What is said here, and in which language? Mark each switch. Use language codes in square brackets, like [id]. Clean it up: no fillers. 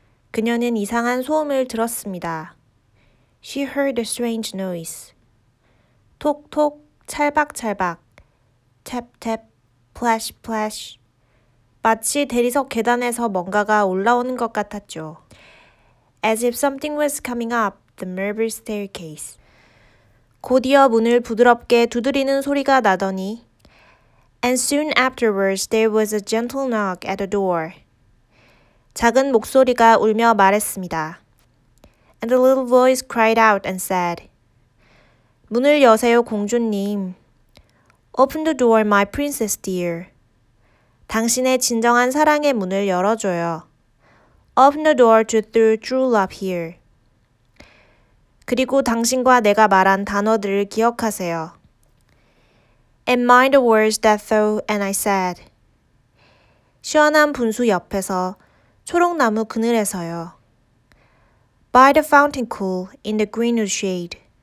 [ko] 그녀는 이상한 소음을 들었습니다. [en] She heard a strange noise. 톡톡, 찰박찰박, tap tap, plash plash. [ko] 마치 대리석 계단에서 뭔가가 올라오는 것 같았죠. [en] As if something was coming up the marble staircase. [ko] 곧이어 문을 부드럽게 두드리는 소리가 나더니 [en] And soon afterwards there was a gentle knock at the door. [ko] 작은 목소리가 울며 말했습니다. [en] And the little voice cried out and said, [ko] 문을 여세요, 공주님. [en] Open the door, my princess dear. [ko] 당신의 진정한 사랑의 문을 열어줘요. [en] Open the door to true love here. [ko] 그리고 당신과 내가 말한 단어들을 기억하세요. [en] And mind the words that though and I said. [ko] 시원한 분수 옆에서 초록나무 그늘에서요. [en] By the fountain cool in the greenwood shade.